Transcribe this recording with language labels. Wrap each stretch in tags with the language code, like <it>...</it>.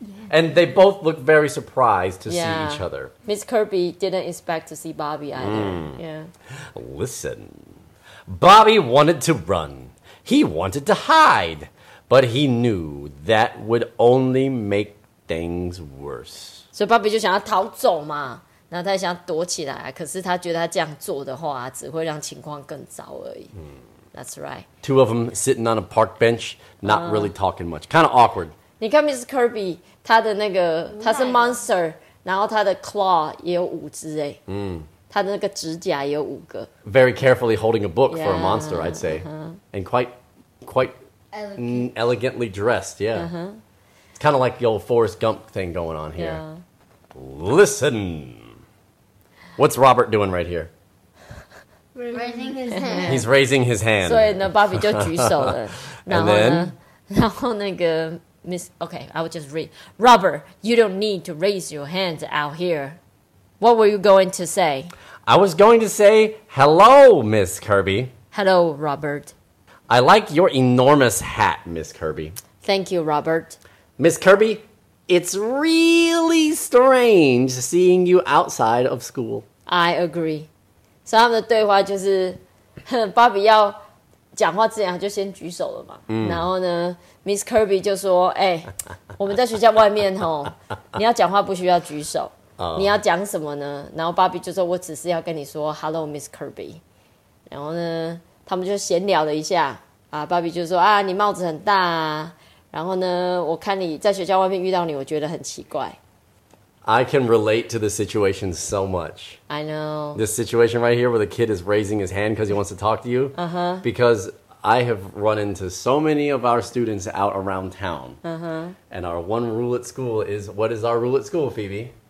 <en>And they both look very surprised to see each other. Miss Kirby didn't expect to see Bobby either. Yeah. Listen, Bobby wanted to run. He wanted to hide, but he knew that would only make things worse.</en> <zh>所以 Bobby 就想要逃走嘛，然后他也想要躲起来，可是他觉得他这样做的话，只会让情况更糟而已。</zh> <en>That's right. Two of them sitting on a park bench, not really talking much. Kind of awkward.</en> <zh>你看 Miss Kirby, 她的那个，她是 monster, 然后她的 claw 也有五只耶。她的那个指甲也有五个。</zh> <en>Very carefully holding a book for a monster, I'd say. Uh-huh. And quite elegantly dressed, yeah. Uh-huh. Kind of like the old Forrest Gump thing going on here. Yeah. Listen. What's Robert doing right here? He's raising his hand. So, no,</en> <zh>Bobby 就举手了。</zh> <en>And then?</en> <zh>然后那个</zh> <en>Miss... Okay, I will just read. Robert, you don't need to raise your hand out here. What were you going to say? I was going to say, hello, Miss Kirby. Hello, Robert. I like your enormous hat, Miss Kirby. Thank you, Robert. Miss Kirby, it's really strange seeing you outside of school. I agree.</en> <zh>所以他们的对话就是 ，Bobby 要讲话之前他就先举手了嘛。然后呢 ，Miss Kirby 就说：“哎，我们在学校外面吼，你要讲话不需要举手。你要讲什么呢？” 然后 Bobby 就说：“我只是要跟你说 ，</zh> <en>Hello, Miss Kirby。”</en> <zh>然后呢，他们就闲聊了一下。啊 ，Bobby 就说：“啊，你帽子很大啊。” 然后呢，我看你在学校外面遇到你，我觉得很奇怪。</zh> <en>I can relate to the situation so much. I know. This situation right here where the kid is raising his hand because he wants to talk to you. Uh-huh. Because I have run into so many of our students out around town. Uh-huh. And our one rule at school is, what is our rule at school, Phoebe?</en>